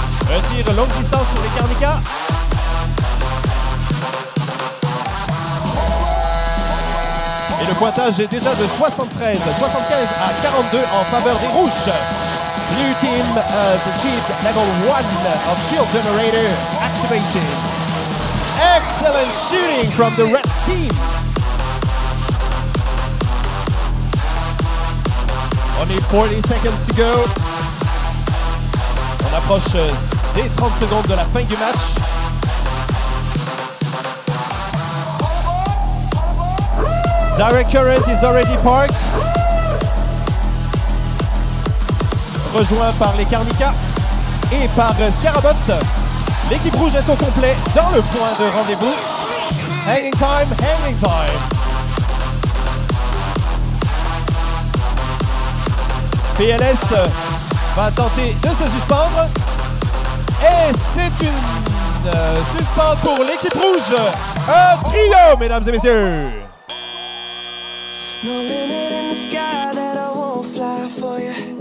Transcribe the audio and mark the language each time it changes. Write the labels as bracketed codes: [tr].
[fr] Un tir longue distance pour les Carnica. Et le pointage est déjà de 73 à 42 en faveur des rouges. [en] Blue team has achieved level 1 of shield generator activation. Excellent shooting from the red team. Only 40 seconds to go. [fr] On approche des 30 secondes de la fin du match. [en] Direct Current is already parked. [fr] Rejoint par les Carnica et par Scarabot. L'équipe rouge est au complet dans le point de rendez-vous. [en] Hanging time, hanging time. [fr] PLS va tenter de se suspendre. Et c'est une suspense pour l'équipe rouge. Un trio, mesdames et messieurs. [en] No limit in the sky that I won't fly for you.